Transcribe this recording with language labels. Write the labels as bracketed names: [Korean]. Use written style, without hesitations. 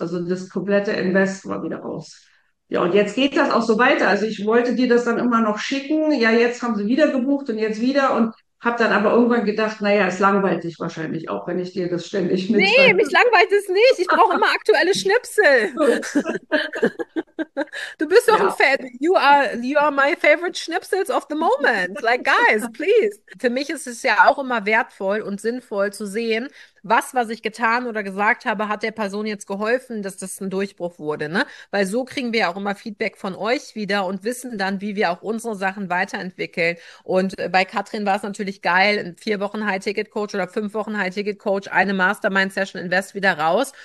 [German] Also das komplette Invest war wieder raus. Ja, und jetzt geht das auch so weiter. Also ich wollte dir das dann immer noch schicken. Ja, jetzt haben sie wieder gebucht und jetzt wieder. Und Hab dann aber irgendwann gedacht, naja, es langweilt dich wahrscheinlich auch, wenn ich dir das ständig Nee, mich mitteile. langweilt es nicht. Ich brauche immer aktuelle Schnipsel. Du bist doch ein Ja. Fan. [English] You are my favorite Schnipsels of the moment. Like, guys, please. [German] Für mich ist es ja auch immer wertvoll und sinnvoll zu sehen, was ich getan oder gesagt habe, hat der Person jetzt geholfen, dass das ein Durchbruch wurde, ne? Weil so kriegen wir ja auch immer Feedback von euch wieder und wissen dann, wie wir auch unsere Sachen weiterentwickeln. Und bei Katrin war es natürlich geil, ein 4 Wochen High-Ticket-Coach oder 5 Wochen High-Ticket-Coach, eine Mastermind-Session Invest wieder raus.